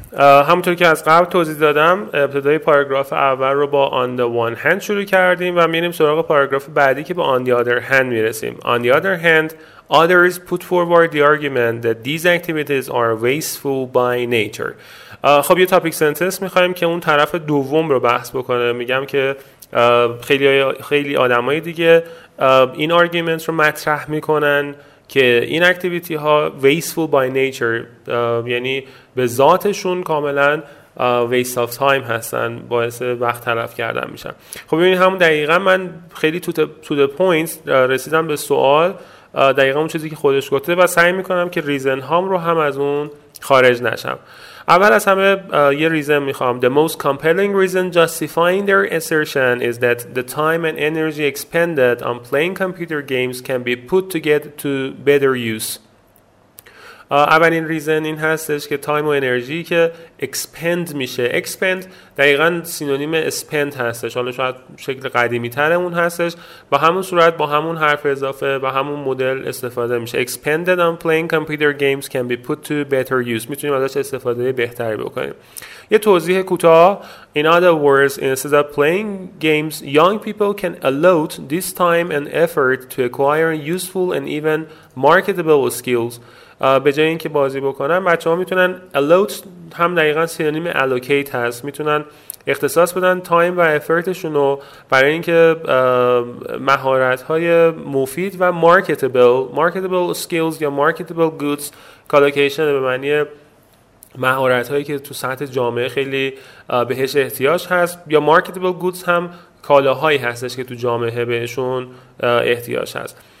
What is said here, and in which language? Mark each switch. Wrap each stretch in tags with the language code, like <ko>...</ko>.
<fa>همونطور که از قبل توضیح دادم، ابتدای پاراگراف اول رو با</fa> <en>on the one hand</en> <fa>شروع کردیم و میریم سراغ پاراگراف بعدی که با</fa> <en>on the other hand</en> <fa>میرسیم.</fa> <en>On the other hand, others put forward the argument that these activities are wasteful by nature.</en> <fa>خب یه topic sentence میخوایم که اون طرف دوم رو بحث بکنه. میگم که خیلی آدمای دیگه این argument رو مطرح میکنن که این اکتیویتی ها</fa> <en>wasteful by nature،</en> <fa>یعنی به ذاتشون کاملا</fa> <en>waste of time</en> <fa>هستن، باعث وقت تلف کردن میشن. خب ببینید همون دقیقا من خیلی</fa> <en>to the point</en> <fa>رسیدم به سوال، دقیقا اون چیزی که خودش گفته و سعی میکنم که ریزن هام رو هم از اون خارج نشم. اول از همه یه ریزن میخوام.</fa> <en>The most compelling reason justifying their assertion is that the time and energy expended on playing computer games can be put to get to better use.</en> <fa>اولین ریزن این هستش که time و انرژی که expend میشه، expend دقیقا سینونیم spend هستش، حالا شاید شکل قدیمی ترمون هستش، با همون صورت با همون حرف اضافه با همون مدل استفاده میشه.</fa> <en>expended on playing computer games can be put to better use،</en> <fa>میتونیم ازش استفاده بهتری بکنیم. یه توضیح کوتاه.</fa> <en>In other words, instead of playing games, young people can allot this time and effort to acquire useful and even marketable skills.</en> <fa>به جای اینکه بازی بکنن، بچه ها میتونن allot، هم دقیقا سینونیم allocate هست، میتونن اختصاص بدن تایم و افرتشون رو برای اینکه مهارت های مفید و</fa> <en>marketable skills</en> <fa>یا</fa> <en>marketable goods،</en> <fa>collocation به معنی مهارت هایی که تو سطح جامعه خیلی بهش احتیاج هست، یا marketable goods هم کالاهایی هستش که تو جامعه بهشون احتیاج هست.</fa>